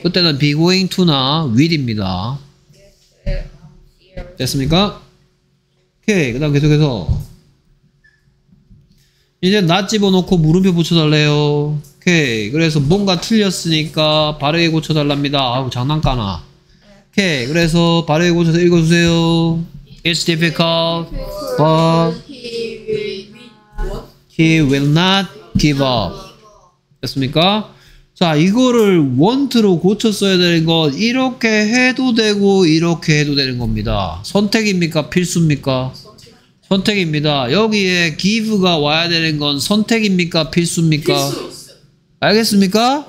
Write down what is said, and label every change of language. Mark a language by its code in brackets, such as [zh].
[ko] 그때는 be going to나 will입니다. 됐습니까? 오케이. 그 다음 계속해서 이제 나 집어넣고 물음표 붙여달래요. 오케이. 그래서 뭔가 틀렸으니까 바르게 고쳐달랍니다. 아우 장난까나. 오케이. 그래서 바르게 고쳐서 읽어주세요. [en] It's difficult, but he will not give up. [ko] 됐습니까? 자 이거를 want로 고쳤어야 되는 건 이렇게 해도 되고 이렇게 해도 되는 겁니다. 선택입니까? 필수입니까? 선택입니다. 여기에 give가 와야 되는 건 선택입니까? 필수입니까? 필수. 알겠습니까?